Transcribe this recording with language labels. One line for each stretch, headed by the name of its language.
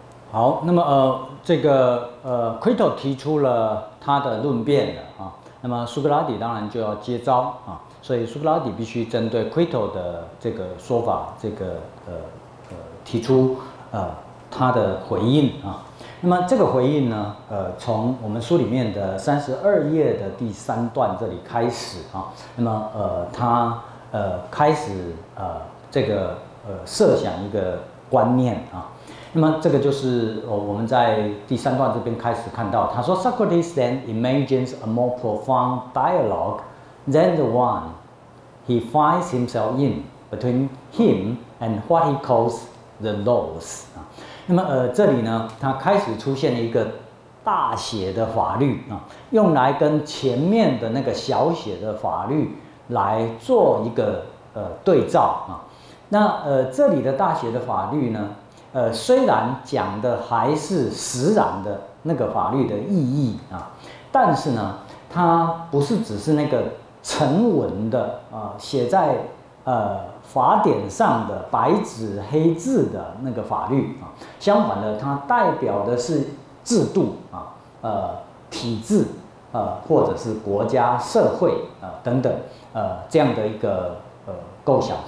Chinese: 好，那么这个Crito 提出了他的论辩的啊，那么苏格拉底当然就要接招啊，所以苏格拉底必须针对 Crito 的这个说法，这个提出他的回应啊。那么这个回应呢，从我们书里面的32页的第三段这里开始啊，那么他开始这个设想一个观念啊。那么这个就是我们在第三段这边开始看到，他说
English: Socrates then imagines a more profound dialogue than the one he finds himself in between him and what he calls the laws。
Chinese: 那么这里呢，他开始出现了一个大写的法律啊，用来跟前面的那个小写的法律来做一个对照啊。那这里的大写的法律呢，虽然讲的还是实然的那个法律的意义啊，但是呢，它不是只是那个成文的啊，写在法典上的白纸黑字的那个法律啊，相反的，它代表的是制度啊，体制或者是国家社会啊等等这样的一个构想。